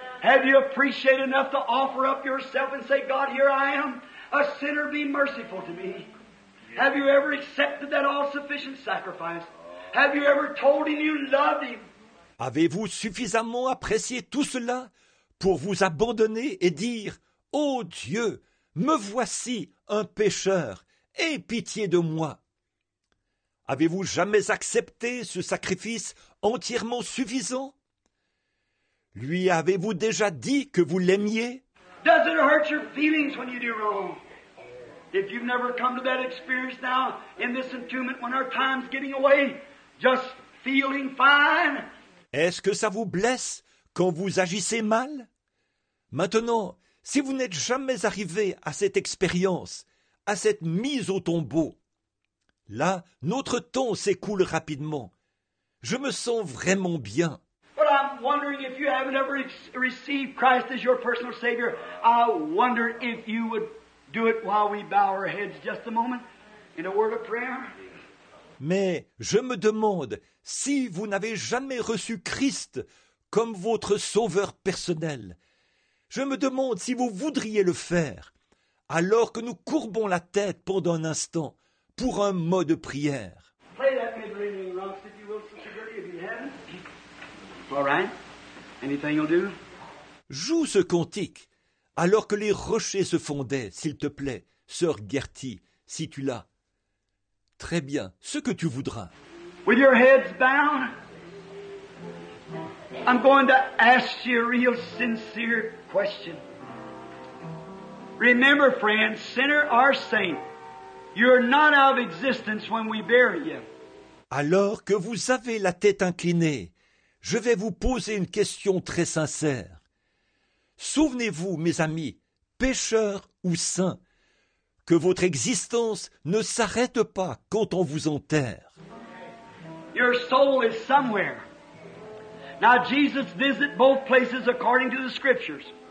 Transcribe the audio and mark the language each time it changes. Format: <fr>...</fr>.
<en>Have you appreciated enough to offer up yourself and say, God, here I am, a sinner, be merciful to me? Have you ever accepted that all-sufficient sacrifice? Have you ever told him you loved him?</en> <fr>Avez-vous suffisamment apprécié tout cela pour vous abandonner et dire, ô Dieu, me voici un pécheur, aie pitié de moi? Avez-vous jamais accepté ce sacrifice entièrement suffisant? Lui avez-vous déjà dit que vous l'aimiez?</fr> <en>Does it hurt your feelings when you do wrong? If you've never come to that experience now in this entombment when our time's getting away, just feeling fine.</en> <fr>Est-ce que ça vous blesse quand vous agissez mal? Maintenant, si vous n'êtes jamais arrivé à cette expérience, à cette mise au tombeau, là, notre temps s'écoule rapidement. Je me sens vraiment bien.</fr> <en>But I'm wondering if you haven't ever received Christ as your personal Savior. I wonder if you would do it while we bow our heads just a moment in a word of prayer.</en> <fr>Mais je me demande si vous n'avez jamais reçu Christ comme votre sauveur personnel. Je me demande si vous voudriez le faire alors que nous courbons la tête pendant un instant pour un mot de prière.</fr> <en>Play that mid-ring in the rocks, if you will, Sister Gertie, if you haven't. All right. Anything you'll do?</en> <fr>Joue ce cantique alors que les rochers se fondaient, s'il te plaît, Sœur Gertie, si tu l'as. Très bien, ce que tu voudras.</fr> <en>With your heads bound, I'm going to ask you a real sincere question. Remember, friend, sinner or saint, you're not out of existence when we bury you.</en> <fr>Alors que vous avez la tête inclinée, je vais vous poser une question très sincère. Souvenez-vous, mes amis, pécheurs ou saints, que votre existence ne s'arrête pas quand on vous enterre.</fr> <en>Your soul is somewhere. Now Jesus visits both places according to the scriptures.</en>